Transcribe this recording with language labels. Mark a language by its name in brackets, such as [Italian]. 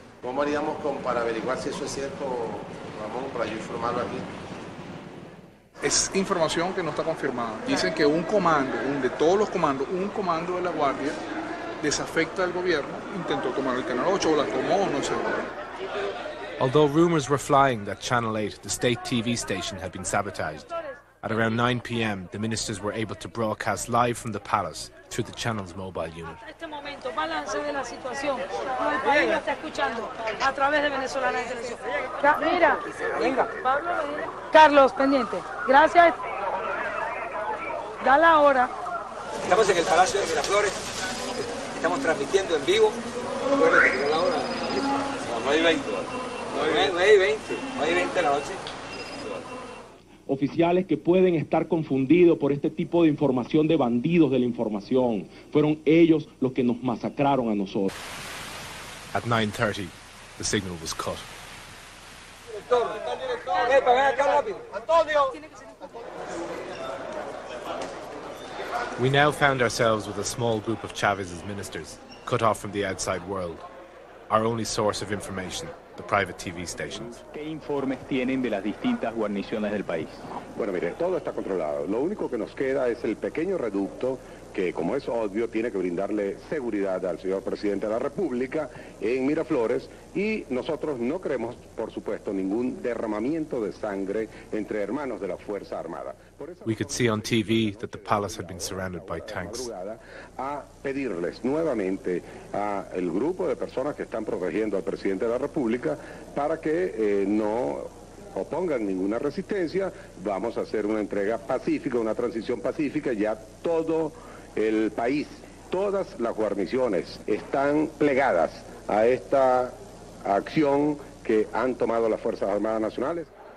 [Spanish] ¿Cómo haríamos para averiguar si eso es cierto, Ramón, para yo informarlo aquí? Es información que no está confirmada. Dicen que un comando de la Guardia desafecta al gobierno, intentó tomar el Canal 8, o la tomó, no sé. [English] Although rumors were flying that Channel 8, the state TV station, had been sabotaged, at around 9 p.m., the ministers were able to broadcast live from the palace through the channel's mobile unit. [Spanish] En este momento, balance de la situación. El país lo está escuchando a través de Venezolana Televisión. Mira, venga. Pablo, Carlos, pendiente. Gracias. Da la hora. Estamos en el Palacio de Miraflores. Estamos transmitiendo en vivo. Acuérdate que da la hora. No hay 20 de la noche. Oficiales que pueden estar confundidos por este tipo de información de bandidos de la información. Fueron ellos los que nos masacraron a nosotros. [English] At 9:30, the signal was cut. [Spanish] Director, ¿está el director? Para ven acá rápido. Antonio. [English] We now found ourselves with a small group of Chavez's ministers, cut off from the outside world. Our only source of information, the private TV stations. [Spanish] ¿Qué informes tienen de las distintas guarniciones del país? Bueno, mire, todo está controlado. Lo único que nos queda es el pequeño reducto que, como es obvio, tiene que brindarle seguridad al señor presidente de la República en Miraflores. Y nosotros no creemos, por supuesto, ningún derramamiento de sangre entre hermanos de la Fuerza Armada. [English] We could see on TV that the palace had been surrounded by tanks. [Spanish] A pedirles nuevamente a el grupo de personas que están protegiendo al presidente de la República para que no opongan ninguna resistencia. Vamos a hacer una entrega pacífica, una transición pacífica, ya todo el país, todas las guarniciones están plegadas a esta acción que han tomado las Fuerzas Armadas Nacionales.